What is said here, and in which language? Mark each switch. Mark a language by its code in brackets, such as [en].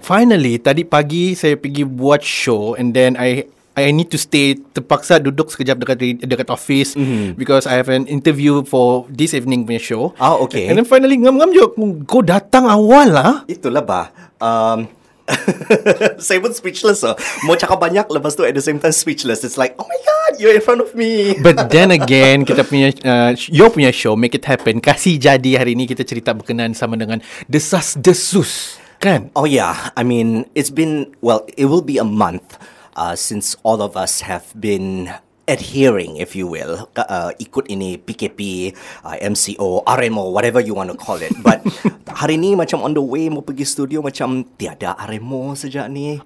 [en] Finally, [ms] tadi pagi saya pergi buat [en] show and then I need to stay, [ms] terpaksa duduk sekejap dekat [en] office because I have an interview for this evening [ms] punya [en] show. Oh, okay. And then finally [ms] ngam-ngam je, kau datang awal lah. Itulah bah. Saya pun speechless lah. Mau cakap banyak lepas tu [en] at the same time [ms] speechless. [en] It's like, oh my god, you're in front of me. But then again, [ms] kita punya [en] your [ms] punya [en] show, make it happen. [ms] Kasih jadi hari ni kita cerita berkenaan sama dengan desas desus, kan? [en] Oh yeah, I mean, it's been, well, it will be a month since all of us have been adhering, if you will, [ms] ikut ini [en] PKP, MCO, RMO, whatever you want to call it. But [ms] hari ni macam [en] on the way, [ms] mau pergi studio, macam tiada RMO sejak ni.